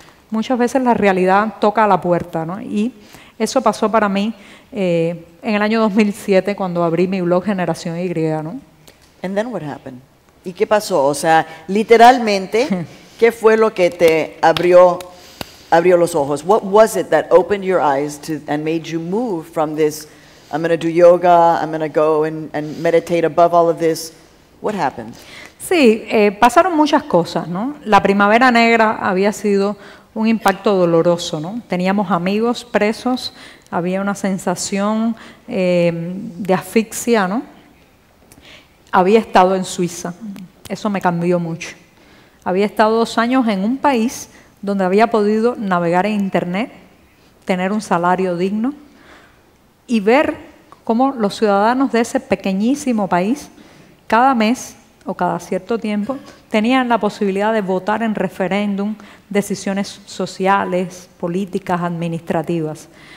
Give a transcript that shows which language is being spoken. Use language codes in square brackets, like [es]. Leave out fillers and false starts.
[es] Muchas veces la realidad toca a la puerta, ¿no? Y eso pasó para mí en el año 2007 cuando abrí mi blog Generación Y, ¿no? [en] And then what happened? [es] ¿Y qué pasó? O sea, literalmente, ¿qué fue lo que te abrió los ojos? [en] What was it that opened your eyes to and made you move from this, I'm going to do yoga, I'm going to go and meditate above all of this? What happened? [es] Sí, pasaron muchas cosas, ¿no? La Primavera Negra había sido un impacto doloroso, ¿no? Teníamos amigos presos, había una sensación de asfixia, ¿no? Había estado en Suiza, eso me cambió mucho. Había estado 2 años en un país donde había podido navegar en internet, tener un salario digno y ver cómo los ciudadanos de ese pequeñísimo país, cada mes o cada cierto tiempo, tenían la posibilidad de votar en referéndum decisiones sociales, políticas, administrativas.